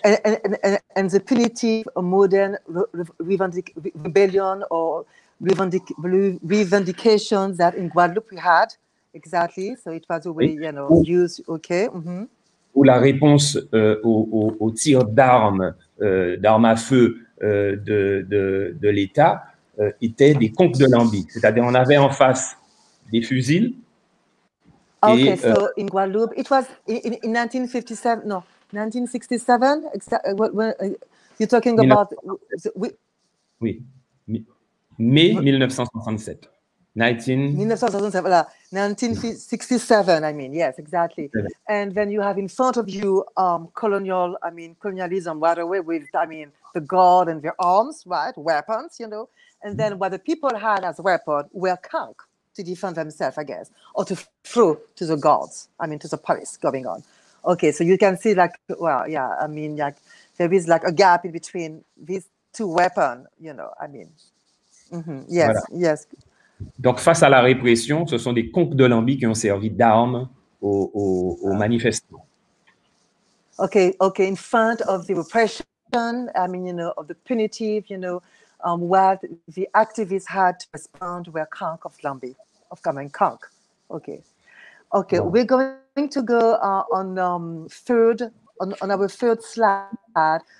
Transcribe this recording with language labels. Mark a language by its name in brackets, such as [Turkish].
[English] And the punitive modern rebellion or revendication that in Guadeloupe we had, exactly, so it was a way, you know, [French] ou, [English] used, okay. Mm-hmm. [French] Ou la réponse aux tirs d'armes à feu de l'État, étaient des conques de l'ambi, c'est-à-dire on avait en face des fusils. [English] Okay, et, so in Guadeloupe, it was in 1957, no, 1967, exactly. You're talking about. [French] Oui, mai 1967. [English] 1967, I mean, yes, exactly. And then you have in front of you colonialism right away with the gold and their arms, right? Weapons, you know. And then what the people had as weapon were conch to defend themselves, I guess, or to throw to the gods, to the police going on. Okay, so you can see there is like a gap in between these two weapons, you know, Mm-hmm. Yes, voilà. Yes. [French] Donc, face à la répression, ce sont des conques de l'ambi qui ont servi d'armes aux manifestants. [English] Okay, in front of the repression, of the punitive, what the activists had to respond were conch of l'ambi, of coming conch. Okay, wow. We're going to go on our third slide.